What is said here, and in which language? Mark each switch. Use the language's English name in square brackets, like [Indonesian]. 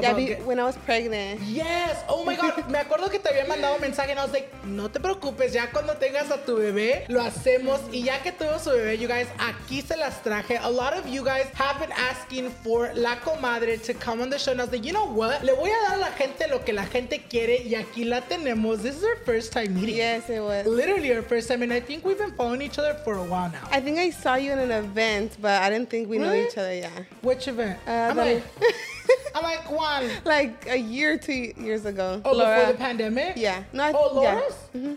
[English] Yeah, when I was pregnant. Yes. Oh my God. [Spanish] Me acuerdo que te había mandado un mensaje [English] and I was like, [Spanish] no te preocupes, ya cuando tengas a tu bebé, lo hacemos. Y ya que tuvo su bebé, [English] you guys, [Spanish] aquí se las traje. [English] A lot of you guys have been asking for La Comadre to come on the show. And I was like, you know what? [Spanish] Le voy a dar a la gente lo que la gente quiere y aquí la tenemos. [English] This is our first time meeting. Yes, it was. Literally our first time. And I think we've been following each other for a while now. I think I saw you in an event, but I didn't think we really? Knew each other yet. Which event? I'm like, Juan. Like a year, 2 years ago. Oh, Laura. Before the pandemic? Yeah. No, Laura's? Yeah.